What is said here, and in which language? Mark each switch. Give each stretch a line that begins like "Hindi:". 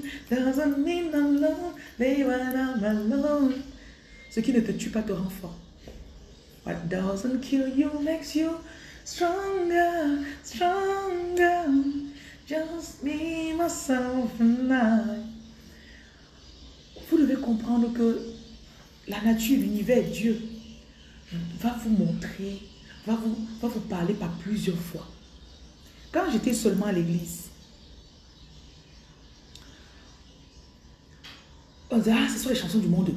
English: Doesn't mean I'm lonely when I'm alone.
French: Ce qui ne te tue pas te rend fort.
English: What doesn't kill you makes you stronger, stronger. Just me, myself and I.
French: Vous devez comprendre que la nature, l'univers, Dieu va vous montrer. Va vous parler par plusieurs fois. Quand j'étais seulement à l'église, on disait, ah, ce sont les chansons du monde.